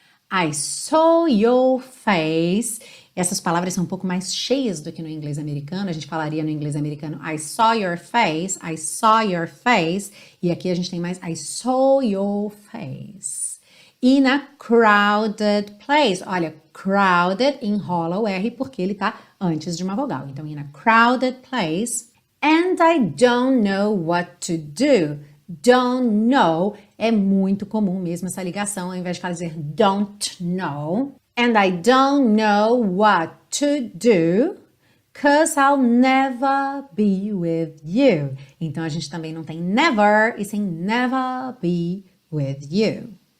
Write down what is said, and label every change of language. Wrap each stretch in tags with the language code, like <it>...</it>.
<en>I saw your face.</en> <pt>Essas palavras são um pouco mais cheias do que no inglês americano. A gente falaria no inglês americano,</pt> <en>I saw your face, I saw your face.</en> <pt>E aqui a gente tem mais,</pt> <en>I saw your face. In a crowded place.</en> <pt>Olha, crowded enrola o R porque ele tá antes de uma vogal.</pt> <en>Então, in a crowded place. And I don't know what to do. Don't know</en> <pt>é muito comum mesmo essa ligação, ao invés de fazer</pt> <en>don't know. And I don't know what to do, 'cause I'll never be with you.</en> <pt>Então, a gente também não tem never e sim</pt> <en>never be with you.</en>